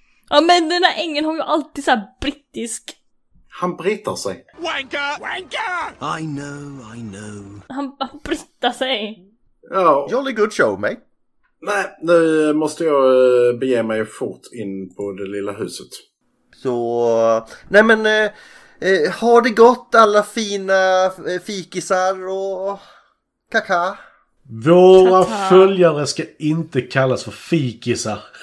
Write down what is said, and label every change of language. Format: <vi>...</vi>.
<sv>Ja, men den här ängeln har ju alltid så här brittisk... Han brittar sig.</sv> <en>Wanker! Wanker! I know.</en> <sv>Han brittar sig. Ja.</sv> <en>Jolly good show, mate.</en> <sv>Nej, nu måste jag bege mig fort in på det lilla huset. Så... Nej, men... har det gått alla fina fikisar och... Kaka? Våra Tata. Följare ska inte kallas för fikisar.</sv>